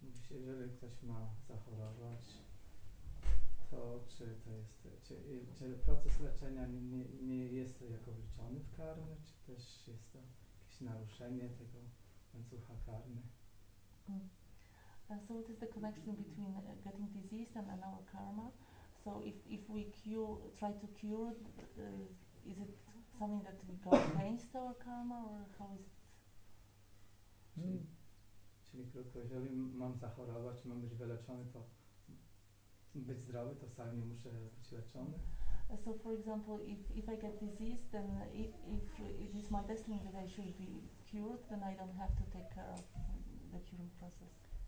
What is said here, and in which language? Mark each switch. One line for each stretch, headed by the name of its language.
Polish: Jeżeli ktoś ma zachorować, to czy to jest, czy proces leczenia nie jest to jako wliczony w karmę, czy też jest to jakieś naruszenie tego łańcucha karmy?
English: So what is the connection between getting diseased and our karma? So if we try to cure, is it something that we go against our karma, or how is it?
Polish: Czyli krótko, jeżeli mam zachorować, mam być wyleczony, to być zdrowy, to sam nie muszę być leczony.
English: So for example, if I get diseased, then if it is my destiny that I should be cured, then I don't have to take care of the curing process.